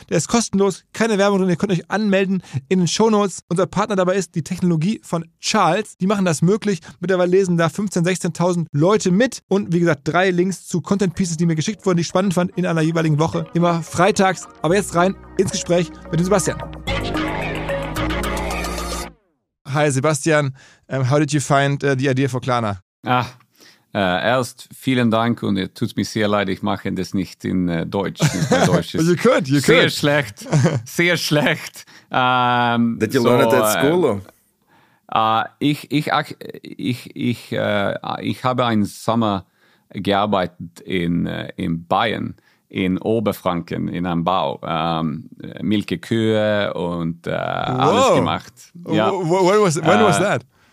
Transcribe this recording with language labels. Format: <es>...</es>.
<de>Der ist kostenlos, keine Werbung drin. Ihr könnt euch anmelden in den Shownotes. Unser Partner dabei ist die Technologie von Charles. Die machen das möglich. Mittlerweile lesen da 15.000, 16.000 Leute mit. Und wie gesagt, drei Links zu Content-Pieces, die mir geschickt wurden, die ich spannend fand, in einer jeweiligen Woche. Immer freitags. Aber jetzt rein ins Gespräch mit dem Sebastian.</de> <en>Hi Sebastian, how did you find the idea for Klarna?</en> <de>Ah, erst vielen Dank und es tut mir sehr leid, ich mache das nicht in Deutsch. Deutsch ist</de> <en>you could.</en> <de>Sehr schlecht, sehr schlecht.</de> <en>Did you learn it at school?</en> <de>Ich habe einen Sommer gearbeitet in Bayern, in Oberfranken, in einem Bau. Milke Kühe und alles gemacht.</de> <en>Ja. When was that?</en>